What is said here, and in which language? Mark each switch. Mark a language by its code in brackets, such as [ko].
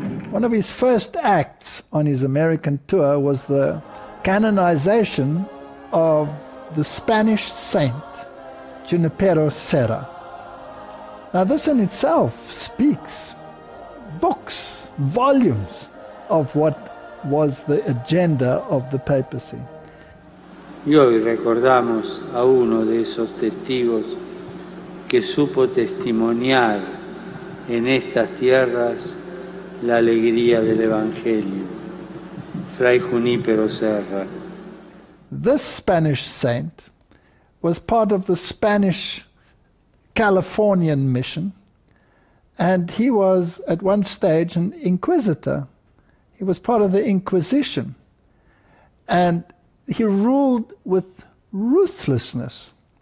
[en] One of his first acts on his American tour was the canonization of the Spanish saint, Junipero Serra. Now this in itself speaks books, volumes of what was the agenda of the papacy. [es] Y hoy recordamos a uno de esos testigos que supo testimoniar en estas tierras la alegría del Evangelio, Fray Junipero Serra. [en] This Spanish saint was part of the Spanish Californian mission, and he was at one stage an inquisitor. He was part of the Inquisition, and he ruled with ruthlessness.